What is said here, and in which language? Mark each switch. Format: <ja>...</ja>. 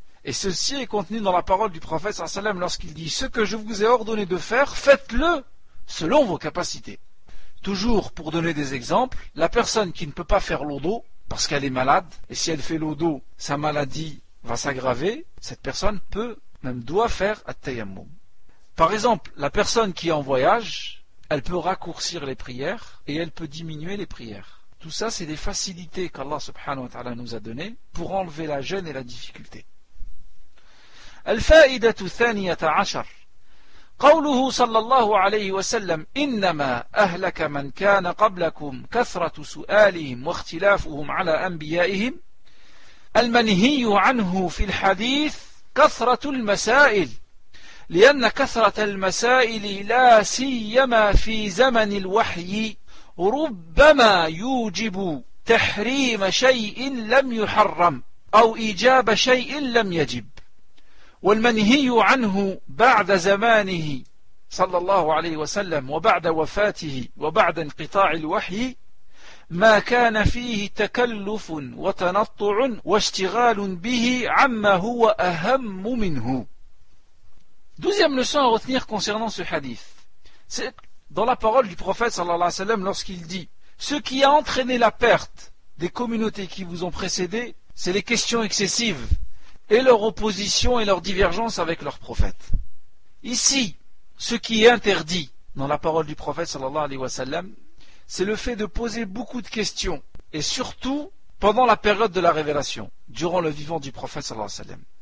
<fr>Et ceci est contenu dans la parole du prophète</fr> <ar>sallallahu alayhi wa sallam</ar> <fr>lorsqu'il dit « Ce que je vous ai ordonné de faire, faites-le selon vos capacités. » Toujours pour donner des exemples, la personne qui ne peut pas faire l'eau d'eau parce qu'elle est malade, et si elle fait l'eau d'eau, sa maladie va s'aggraver, cette personne peut, même doit faire at-tayammum. Par exemple, la personne qui est en voyage, elle peut raccourcir les prières et elle peut diminuer les prières. Tout ça, c'est des facilités qu'Allah</fr> <ar>subhanahu wa ta'ala</ar> <fr>nous a données pour enlever la gêne et la difficulté.</fr> <ar>الفائدة الثانية عشر قوله صلى الله عليه وسلم إنما أهلك من كان قبلكم كثرة سؤالهم واختلافهم على أنبيائهم المنهي عنه في الحديث كثرة المسائل لأن كثرة المسائل لا سيما في زمن الوحي ربما يوجب تحريم شيء لم يحرم أو إيجاب شيء لم يجب والمنهي عنه بعد زمانه صلى الله عليه وسلم وبعد وفاته وبعد انقطاع الوحي ما كان فيه تكلف وتنطع واشتغال به عما هو أهم منه.</ar> <fr>Deuxième leçon à retenir concernant ce hadith, c'est dans la parole du prophète</fr> <ar>sallallahu alayhi wa sallam</ar> <fr>lorsqu'il dit « Ce qui a entraîné la perte des communautés qui vous ont précédé, c'est les questions excessives et leur opposition et leur divergence avec leur prophète. » Ici, ce qui est interdit dans la parole du prophète sallallahu alayhi wa sallam, c'est le fait de poser beaucoup de questions et surtout pendant la période de la révélation, durant le vivant du prophète sallallahu alayhi wa sallam.</fr>